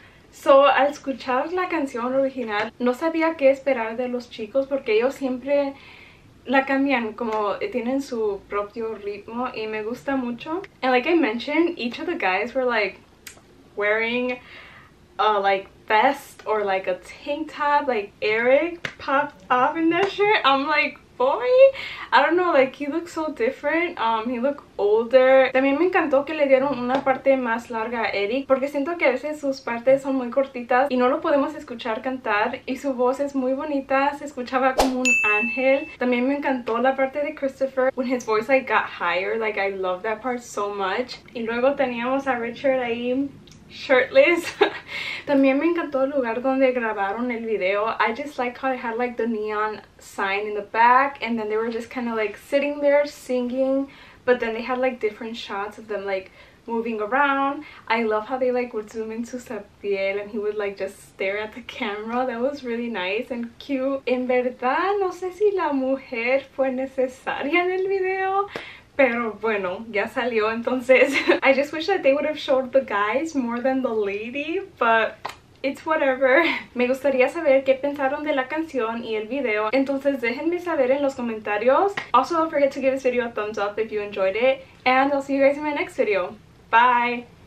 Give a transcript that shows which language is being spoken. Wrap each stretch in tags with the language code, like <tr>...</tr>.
<es>So, al escuchar la canción original, no sabía qué esperar de los chicos porque ellos siempre la cambian, como tienen su propio ritmo y me gusta mucho.</es> <en>And like I mentioned, each of the guys were like wearing a like vest or like a tank top. Like Eric popped off in that shirt. I'm like, boy, I don't know, like he looks so different. He looked older.</en> <es>También me encantó que le dieron una parte más larga a Eric, porque siento que a veces sus partes son muy cortitas y no lo podemos escuchar cantar, y su voz es muy bonita, se escuchaba como un ángel. También me encantó la parte de Christopher</es> <en>when his voice like got higher, like I love that part so much.</en> <es>Y luego teníamos a Richard ahí</es> <en>shirtless.</en> <es>También me encantó el lugar donde grabaron el video.</es> <en>I just like how it had like the neon sign in the back, and then they were just kind of like sitting there singing, but then they had like different shots of them like moving around. I love how they like would zoom into Sabiel and he would like just stare at the camera. That was really nice and cute.</en> <es>En verdad, no sé si la mujer fue necesaria en el video, pero bueno, ya salió entonces.</es> <en>I just wish that they would have showed the guys more than the lady, but it's whatever.</en> <es>Me gustaría saber qué pensaron de la canción y el video. Entonces déjenme saber en los comentarios.</es> <en>Also, don't forget to give this video a thumbs up if you enjoyed it. And I'll see you guys in my next video. Bye!</en>